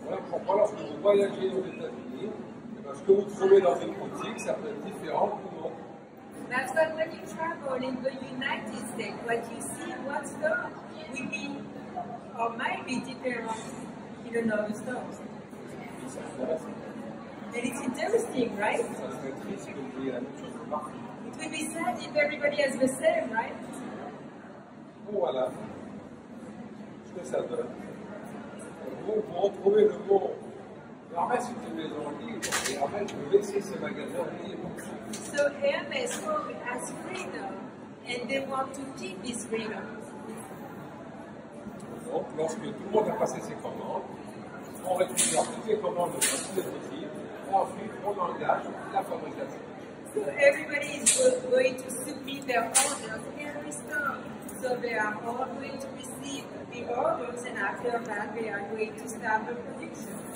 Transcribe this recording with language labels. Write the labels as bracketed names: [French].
[French] Pourquoi lorsque vous voyagez aux États-Unis, ce que vous trouvez dans une boutique, ça peut être différent. [English] That's why when you travel in the United States, what you see in one store will be or might be different in another store. And it's interesting, right? It would be sad if everybody has the same, right? [French] Voilà. Ce que ça donne. Vous retrouvez le mot. Hermès est une maison libre et Hermès veut laisser ses magasins libres. [English] So Hermès has freedom and they want to keep his freedom. [French] Donc lorsque tout le monde a passé ses commandes, on récupère toutes les commandes de toutes les boutiques et ensuite on engage la fabrication. [English] So everybody is going to submit their orders every store. So they are all going to receive the orders and after that they are going to start the production.